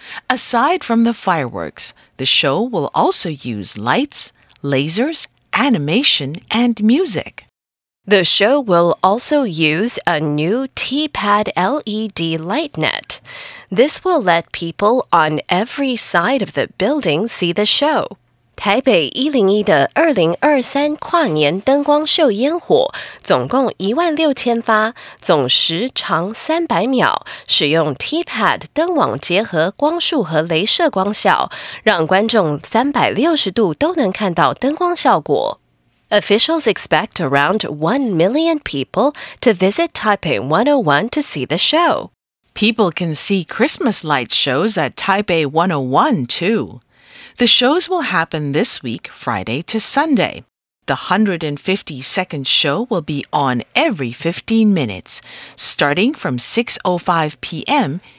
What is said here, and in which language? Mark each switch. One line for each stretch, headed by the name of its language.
English: Aside from the fireworks, the show will also use lights, lasers,animation, and music. The show will also use a new T-Pad LED light net. This will let people on every side of the building see the show.
Chinese: 台北101的2023跨年灯光秀烟火总共16000发，总时长300秒，使用 T-Pad 灯网结合光束和雷射光效，让观众360度都能看到灯光效果。
English: Officials expect around 1 million people to visit Taipei 101 to see the show. People can see Christmas light shows at Taipei 101 too. The shows will happen this week, Friday to Sunday. The 152nd show will be on every 15 minutes, starting from 6:05 p.m.